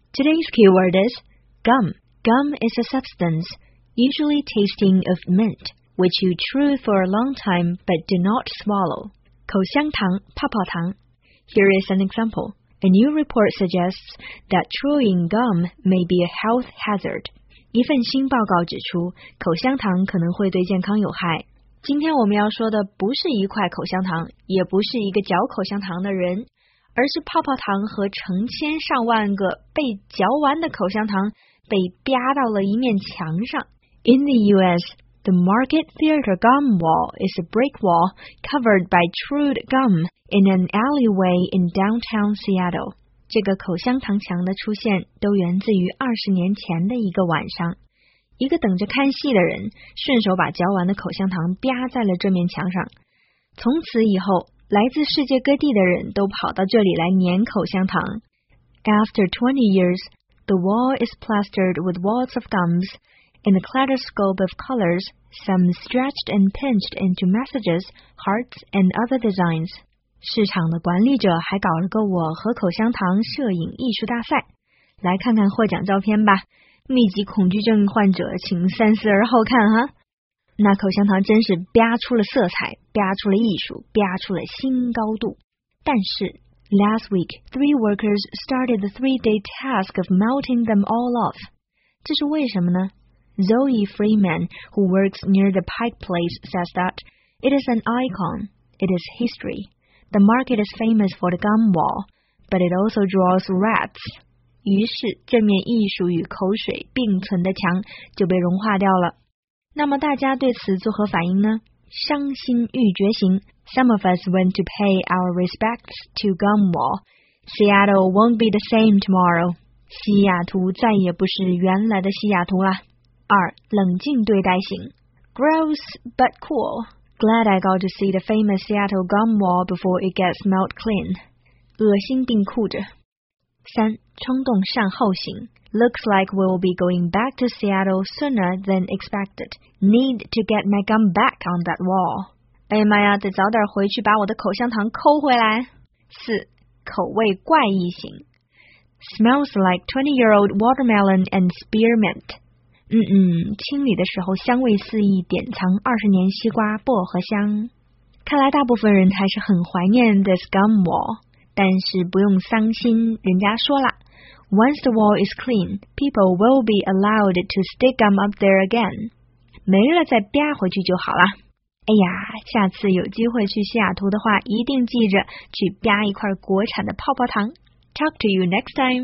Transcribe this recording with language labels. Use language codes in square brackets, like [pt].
[en] Today's keyword is gum. Gum is a substance, usually tasting of mint, which you chew for a long time but do not swallow. [zh] 口香糖、泡泡糖。 [en] Here is an example. A new report suggests that chewing gum may be a health hazard. [zh] 一份新报告指出，口香糖可能会对健康有害。今天我们要说的不是一块口香糖，也不是一个嚼口香糖的人，而是泡泡糖和成千上万个被嚼完的口香糖被啪到了一面墙上。 [en] In the US, the Market Theater gum wall is a brick wall covered by chewed gum in an alleyway in downtown Seattle. [zh] 这个口香糖墙的出现都源自于20年前的一个晚上。一个等着看戏的人顺手把嚼完的口香糖啪在了这面墙上。从此以后，来自世界各地的人都跑到这里来粘口香糖。 [en] After 20 years, the wall is plastered with wads of gums, in a kaleidoscope of colors, some stretched and pinched into messages, hearts, and other designs. [zh] 市场的管理者还搞了个我和口香糖摄影艺术大赛。来看看获奖照片吧。密集恐惧症患者请三思而后看哈。那口香糖真是啪出了色彩，啪出了艺术，啪出了新高度。但是 [en] Last week, three workers started the three-day task of melting them all off. [zh] 这是为什么呢？ [en] Zoe Freeman, who works near the Pike Place, says that It is an icon. It is history. The market is famous for the gum wall, but it also draws rats. [zh] 于是这面艺术与口水并存的墙就被融化掉了。那么大家对此作何反应呢？伤心欲绝行。 [en] Some of us went to pay our respects to gum wall. Seattle won't be the same tomorrow. [zh] 西雅图再也不是原来的西雅图了。二，冷静对待型。 [en] Gross but cool. Glad I got to see the famous Seattle gum wall before it gets melt clean. [zh] 恶心并酷着。三，冲动善后型。 [en] Looks like we'll be going back to Seattle sooner than expected. Need to get my gum back on that wall. [zh] 哎妈呀，得早点回去把我的口香糖抠回来。四，口味怪异型。 [en] Smells like 20-year-old watermelon and spearmint. [zh] 清理的时候香味四溢，典藏20年西瓜薄荷香。看来大部分人还是很怀念 [en] this gum wall. [zh] 但是不用伤心，人家说了 [en] Once the wall is clean, people will be allowed to stick gum up there again. [zh] 没了再啪回去就好了。哎呀，下次有机会去西雅图的话，一定记着去啪一块国产的泡泡糖。 [en] Talk to you next time.